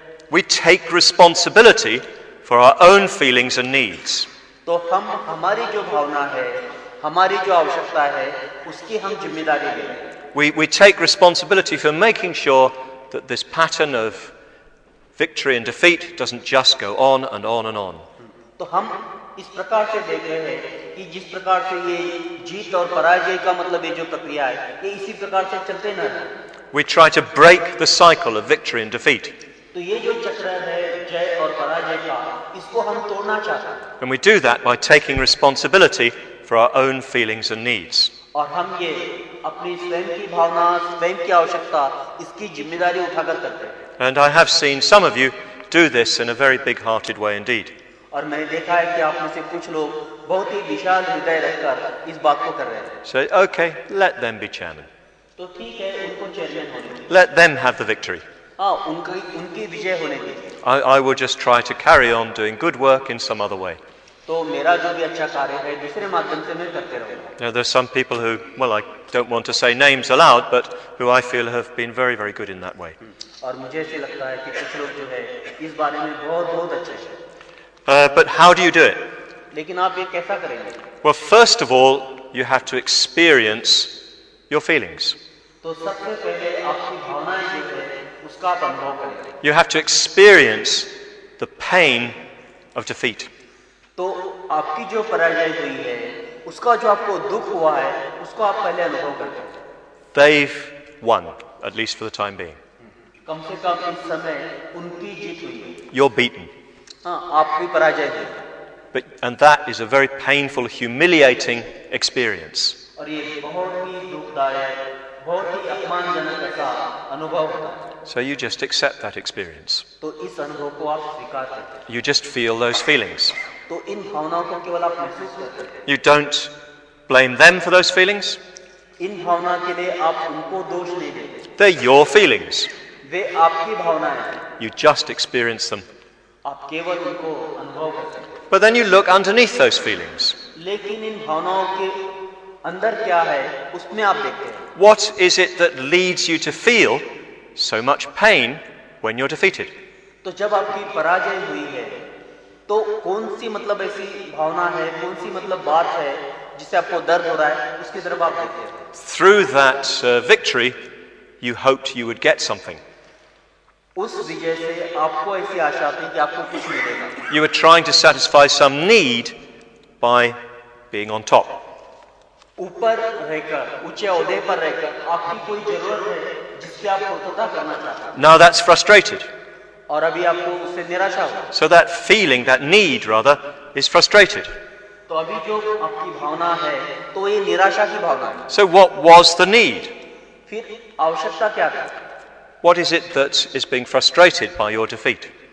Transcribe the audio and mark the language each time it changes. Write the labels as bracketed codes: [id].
[en] We take responsibility for our own feelings and needs. We take responsibility for making sure that this pattern of victory and defeat doesn't just go on and on and on. [hi] तो हम इस प्रकार से देख रहे हैं कि जिस प्रकार से ये जीत और पराजय का मतलब ये जो प्रक्रिया है ये इसी प्रकार से चलते ना रहे. [en] We try to break the cycle of victory and defeat. [hi] तो ये जो चक्र है जय और पराजय का इसको हम तोड़ना चाहते हैं. [en] And we do that by taking responsibility for our own feelings and needs. [hi] और हम ये अपनी स्वयं की भावना, स्वयं की आवश्यकता, इसकी जिम्मेदारी उठाकर करते हैं. [en] And I have seen some of you do this in a very big-hearted way indeed. [hi] और मैंने देखा है कि आप में से कुछ लोग बहुत ही विशाल हृदय रखकर इस बात को कर रहे हैं. [en] So okay, let them be chairman. [hi] तो ठीक है, उनको चेयरमैन होने दीजिए. [en] Let them have the victory. [hi] हाँ, उनकी उनकी विजय होने दीजिए. [en] I will just try to carry on doing good work in some other way. [hi] तो मेरा जो भी अच्छा कार्य है दूसरे माध्यम से मैं करते रहूंगा. [en] Now there are some people who, well, I don't want to say names aloud, but who I feel have been very, very good in that way. [hi] और मुझे ऐसे लगता है कि कुछ लोग जो है इस बारे में बहुत बहुत अच्छे हैं. [en] But how do you do it? [hi] लेकिन आप ये कैसा करेंगे? [en] Well, first of all, you have to experience your feelings. [hi] तो सबसे पहले आपकी भावनाएं जो है उसका आप अनुभव करेंगे. [en] You have to experience the pain of defeat. [hi] तो आपकी जो पराजय हुई है उसका जो आपको दुख हुआ है उसको आप पहले अनुभव करते हैं। [en] They've won, at least for the time being. [hi] कम से कम इस समय उनकी जीत हुई है। [en] You're beaten. [hi] हाँ, आपकी पराजय हुई। [en] But and that is a very painful, humiliating experience. [hi] और ये बहुत ही दुखदायक, बहुत ही अपमानजनक का अनुभव होता है। [en] So you just accept that experience. [hi] तो इस अनुभव को आप स्वीकार करते हैं। [en] You just feel those feelings. [hi] तो इन भावनाओं को केवल आप महसूस करते हैं। [en] You don't blame them for those feelings. [hi] इन भावना के लिए आप उनको दोष नहीं देते। [en] They're your feelings. [hi] वे आपकी भावनाएं हैं। [en] You just experience them. [hi] आप केवल उनको अनुभव करते हैं। [en] But then you look underneath those feelings. [hi] लेकिन इन भावनाओं के अंदर क्या है उसमें आप देखते हैं। [en] What is it that leads you to feel so much pain when you're defeated? [hi] तो जब आपकी पराजय हुई है तो कौन सी मतलब ऐसी भावना है, कौन सी मतलब बात है जिसे आपको दर्द हो रहा है उसकी तरफ आप देखते हैं। [en] Through that victory you hoped you would get something. [hi] उस विजय से आपको ऐसी आशा थी कि आपको कुछ मिलेगा। [en] You were trying to satisfy some need by being on top. [hi] ऊपर रहकर, ऊंचे ओहदे पर रहकर आपकी कोई जरूरत है जिससे आप संतुष्टता करना चाहते हैं। [en] Now that's frustrated. [hi] और अभी आपको उससे निराशा हुआ। [en] So that feeling, that need rather, is frustrated. [hi] तो अभी जो आपकी भावना है, तो ये निराशा की भावना है। [en] So what was the need? [hi] फिर आवश्यकता क्या था? [en] What is it that is being frustrated by your defeat?